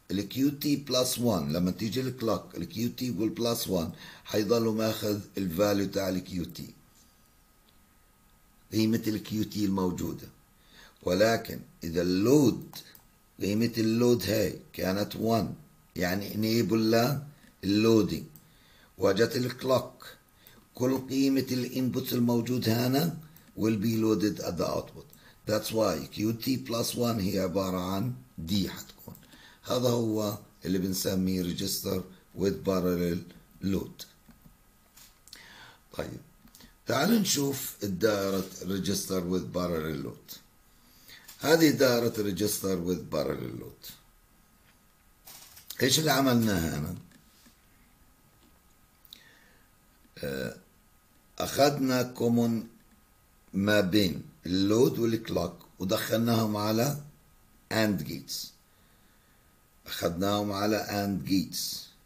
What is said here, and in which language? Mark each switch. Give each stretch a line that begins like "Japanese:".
Arabic: الـ QT plus 1 لما تيجي الـ clock الـ QT
English: will plus 1
Arabic: حيظل ماخذ الـ value تاع الـ QT، قيمة الـ QT الموجودة. ولكن إذا اللود قيمة اللود هاي كانت 1، يعني
English: enable loading،
Arabic: وجت الكلوك كل قيمة الانبوت الموجود هنا
English: will be loaded at the output. That's why QT plus 1
Arabic: هي عبارة عن
English: D حتكون.
Arabic: هذا هو اللي بنسميه register with parallel load. طيب تعال نشوف الدائرة register with parallel load. هذه دائرة register with parallel load، ايش اللي عملناه هنا؟ اخذنا كومون ما بين اللود والكلوك ودخلناهم على اند جيتس، اخذناهم على اند جيتس.